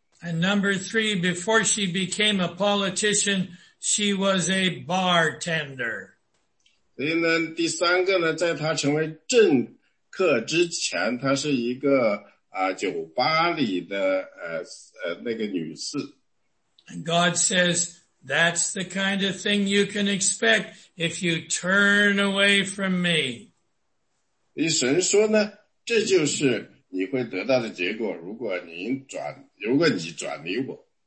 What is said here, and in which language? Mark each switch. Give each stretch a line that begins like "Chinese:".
English: And number three, before she became a politician, she was a bartender.
Chinese: 所以呢,第三个呢, 在她成为政客之前,她是一个, 酒吧里的, 那个女士。
English: And God says, that's the kind of thing you can expect if you turn away from me.
Chinese: 神说呢, 这就是, 你会得到的结果,如果你转离我。